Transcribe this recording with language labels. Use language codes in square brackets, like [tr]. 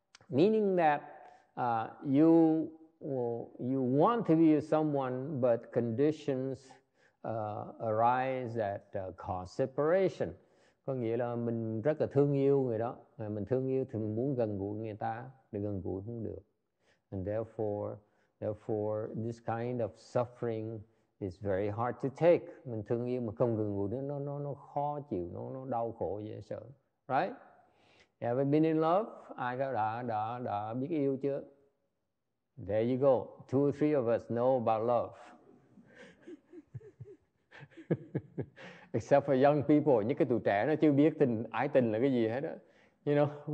[en] Meaning that you want to be someone, but conditions arise that cause separation. [vi] Có nghĩa là mình rất là thương yêu người đó. Mình thương yêu thì mình muốn gần gũi người ta. Để gần gũi không được. [en] And therefore, this kind of suffering is very hard to take. [vi] Mình thương yêu mà không gần gũi nữa, nó khó chịu, nó đau khổ, dễ sợ. [en] Right? Ever been in love? [vi] Ai đã biết yêu chưa? [en] There you go. Two or three of us know about love. Except for young people, [vi] những cái tụi trẻ nó chưa biết tình ái tình là cái gì hết á. [en] You know?